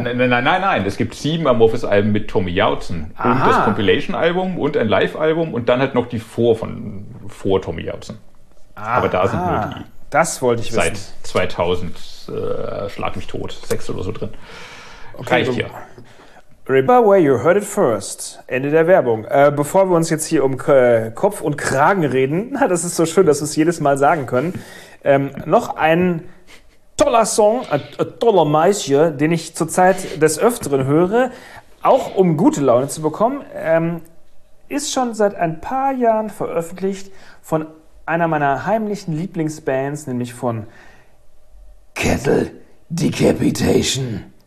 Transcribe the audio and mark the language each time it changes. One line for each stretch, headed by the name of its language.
German: Nein, es gibt 7 Amorphis-Alben mit Tommy Jauten. Und das Compilation-Album und ein Live-Album und dann halt noch die vor Tommy Jauten. Aber da sind nur die. Das wollte ich seit wissen. Seit 2000, schlag mich tot, 6 oder so drin. Okay, reicht hier.
English: Remember where you heard it first.
German: Ende der Werbung. Bevor wir uns jetzt hier um Kopf und Kragen reden, na, das ist so schön, dass wir es jedes Mal sagen können, noch ein toller Song, ein toller Maisje, den ich zurzeit des Öfteren höre, auch um gute Laune zu bekommen, ist schon seit ein paar Jahren veröffentlicht von einer meiner heimlichen Lieblingsbands, nämlich von Kettle Decapitation.